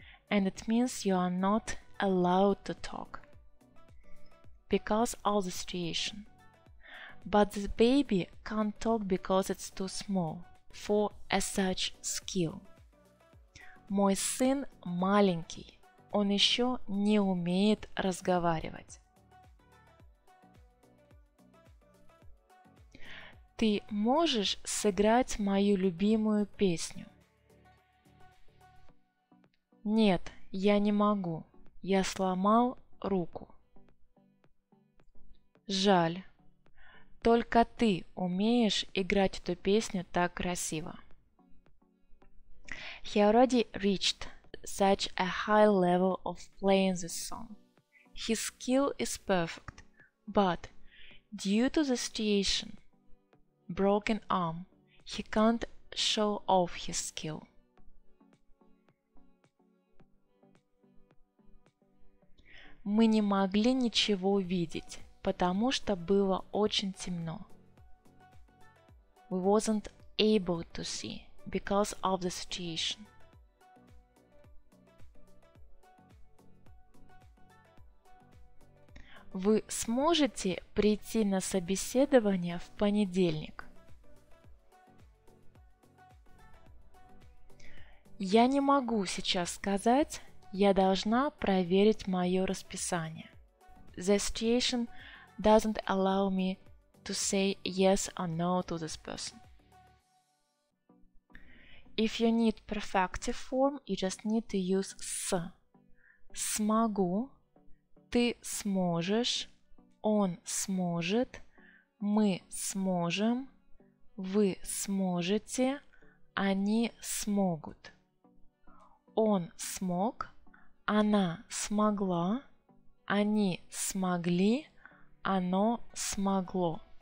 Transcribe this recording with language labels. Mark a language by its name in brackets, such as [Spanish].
[English] And it means you are not allowed to talk. Because of the situation. But the baby can't talk because it's too small for a such skill. [Russian] Мой сын маленький, он еще не умеет разговаривать. Ты можешь сыграть мою любимую песню? Нет, я не могу, я сломал руку. Жаль, только ты умеешь играть эту песню так красиво. [English] He already reached such a high level of playing this song. His skill is perfect, but due to the situation, broken arm, he can't show off his skill. [Russian] Мы не могли ничего видеть, потому что было очень темно. [English] We wasn't able to see. Because of the situation. [Russian] Вы сможете прийти на собеседование в понедельник? Я не могу сейчас сказать, я должна проверить мое расписание. [English] The situation doesn't allow me to say yes or no to this person. If you need perfective form, you just need to use с. [Russian] Смогу, ты сможешь, он сможет, мы сможем, вы сможете, они смогут. Он смог, она смогла, они смогли, оно смогло.